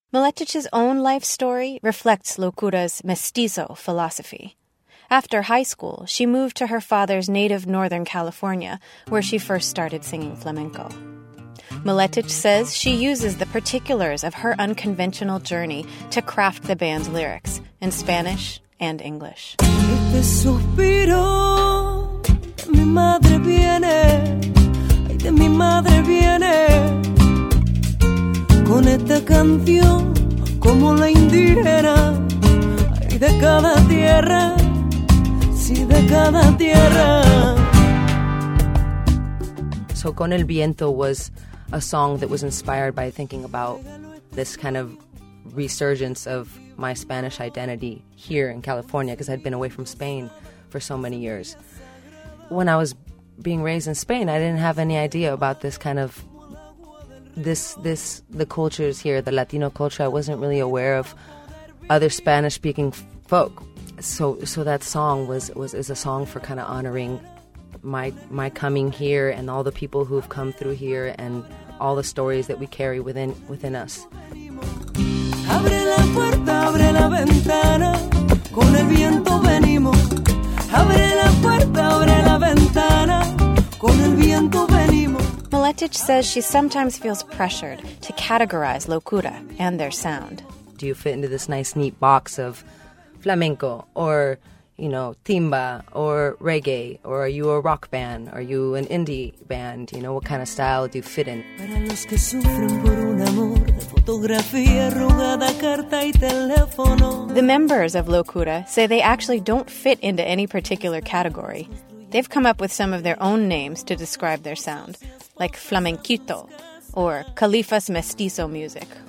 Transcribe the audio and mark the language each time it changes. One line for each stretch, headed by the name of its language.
English: Miletich's own life story reflects Locura's mestizo philosophy. After high school, she moved to her father's native Northern California, where she first started singing flamenco. Miletich says she uses the particulars of her unconventional journey to craft the band's lyrics in Spanish and English.
Spanish: Este suspiro, mi madre viene, ay de mi madre viene, con esta canción como la indígena, ay de cada tierra, sí de cada tierra.
English: So con el viento was a song that was inspired by thinking about this kind of resurgence of my Spanish identity here in California, because I'd been away from Spain for so many years. When I was being raised in Spain, I didn't have any idea about this kind of this the cultures here, the Latino culture. I wasn't really aware of other Spanish-speaking folk. So that song is a song for kind of honoring my coming here and all the people who've come through here and all the stories that we carry within us.
Spanish: Abre la puerta, abre la ventana, con el viento venimos. Abre la puerta, abre la ventana, con el viento venimos.
English: Miletic says she sometimes feels pressured to categorize locura and their sound. Do you fit into this nice, neat box of flamenco or, you know, timba or reggae? Or are you a rock band? Are you an indie band? You know, what kind of style do you fit in?
Spanish: Para los que sufren por un amor, fotografía, arrugada, carta y teléfono.
English: The members of Locura say they actually don't fit into any particular category. They've come up with some of their own names to describe their sound, like flamenquito or Califas Mestizo music.